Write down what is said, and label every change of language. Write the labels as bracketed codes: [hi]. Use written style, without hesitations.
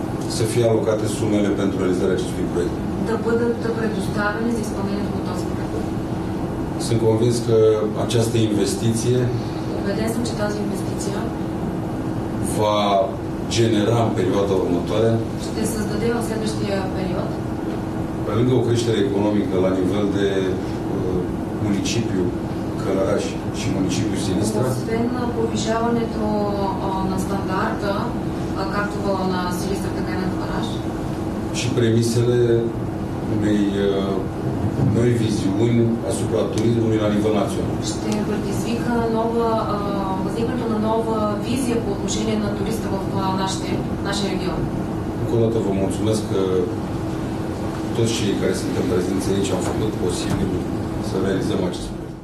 [ro] Să fie alocate sumele pentru realizarea acestui proiect. [bg] Да бъдат предоставени за изпълнението на този проект. [ro] Sunt convins că această investiție [bg] убеден съм, че тази инвестиция [ro] va genera în perioada următoare [bg] ще създаде в следващия период [ro] pe lângă o creștere economică la nivel de municipiu Călăraș și municipiul Silistra. [bg] Освен повишаването на стандарта, както на Силистра, така и на Călăraș. [ro] Și премисиле unei noi viziuni asupra turismului la nivel național. [bg] Ще предизвика възникването на нова визия по отношение на туриста в нашия регион. [ro] Încă o dată vă mulțumesc că toți cei care suntem prezenți aici am făcut posibil să realizăm acest